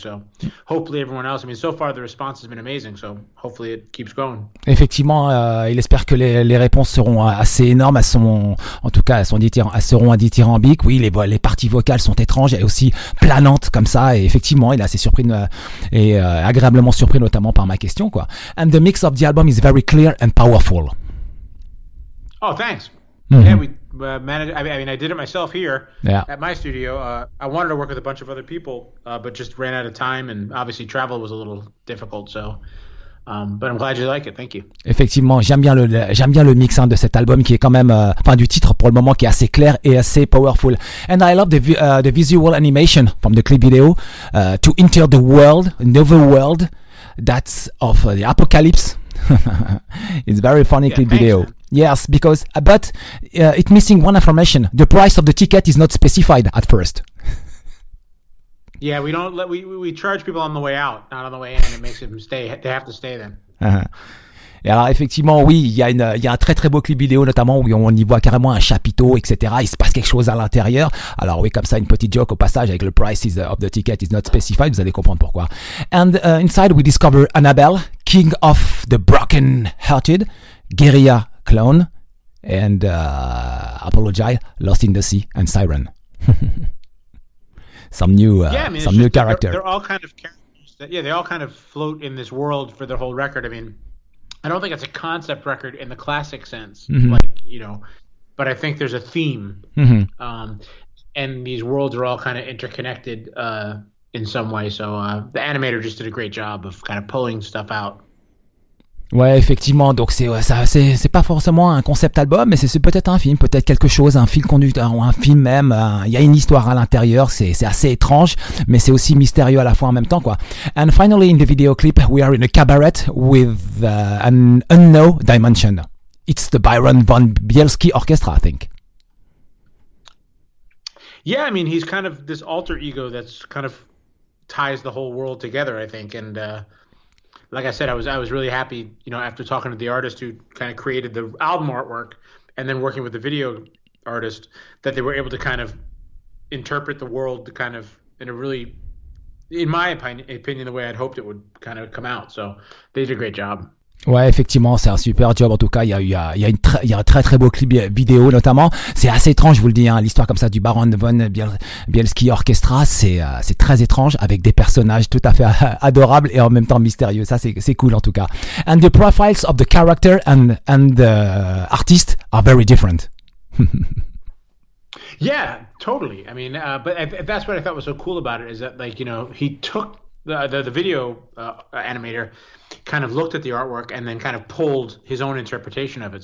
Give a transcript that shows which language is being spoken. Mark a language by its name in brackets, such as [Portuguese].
[English] So hopefully everyone else, I mean, so far the response has been amazing, so hopefully it keeps growing. [French] Effectivement, il espère que les réponses seront assez énormes à son, en tout cas à son seront dithyrambiques. Oui, les parties vocales sont étranges et aussi planantes comme ça, et effectivement il est assez surpris et agréablement surpris notamment par ma question, quoi. [English] And the mix of the album is very clear and powerful. Oh, thanks. Mm-hmm. Yeah, I did it myself here, yeah, at my studio. I wanted to work with a bunch of other people, but just ran out of time, and obviously travel was a little difficult, so... but I'm glad you like it. Thank you. [French] Effectivement, j'aime bien le mix, hein, de cet album qui est quand même, enfin du titre pour le moment, qui est assez clair et assez powerful. [English] And I love the visual animation from the clip video to enter the world, another world that's of the apocalypse. It's very funny, yeah, clip video. Yes, because but it's missing one information. The price of the ticket is not specified at first. Yeah, we don't let we charge people on the way out, not on the way in. It makes them stay. They have to stay then. Uh-huh. [French] Et alors effectivement, oui, il y a un très très beau clip vidéo, notamment où on y voit carrément un chapiteau, etc. Il se passe quelque chose à l'intérieur. Alors oui, comme ça, une petite joke au passage avec le [English] price of the ticket is not specified. [French] Vous allez comprendre pourquoi. [English] And inside, we discover Annabelle, king of the broken hearted, guerrilla clown, and apologize, lost in the sea, and siren. Some new character. They're all kind of characters. They all kind of float in this world for their whole record. I mean, I don't think it's a concept record in the classic sense, mm-hmm, like, you know, but I think there's a theme. Mm-hmm. And these worlds are all kind of interconnected in some way. So the animator just did a great job of kind of pulling stuff out. [French] Ouais, effectivement. Donc c'est pas forcément un concept album, mais c'est peut-être un film, peut-être quelque chose, un fil conducteur ou un film même. Il y a une histoire à l'intérieur. C'est assez étrange, mais c'est aussi mystérieux à la fois en même temps, quoi. [English] And finally, in the video clip, we are in a cabaret with an unknown dimension. It's the Byron von Bielski Orchestra, I think. Yeah, I mean, he's kind of this alter ego that's kind of ties the whole world together, I think, and. Like I said, I was really happy, you know, after talking to the artist who kind of created the album artwork and then working with the video artist, that they were able to kind of interpret the world to kind of in a really, in my opinion, the way I'd hoped it would kind of come out. So they did a great job. [French] Ouais, effectivement, c'est un super job. En tout cas, il y a un très très beau clip vidéo, notamment. C'est assez étrange, je vous le dis, hein, l'histoire comme ça du Baron von Bielski Orchestra. C'est très étrange, avec des personnages tout à fait adorables et en même temps mystérieux. Ça, c'est cool, en tout cas. [English] And the profiles of the character and the artist are very different. Yeah, totally. I mean, but that's what I thought was so cool about it, is that, like, you know, he took the video animator kind of looked at the artwork and then kind of pulled his own interpretation of it.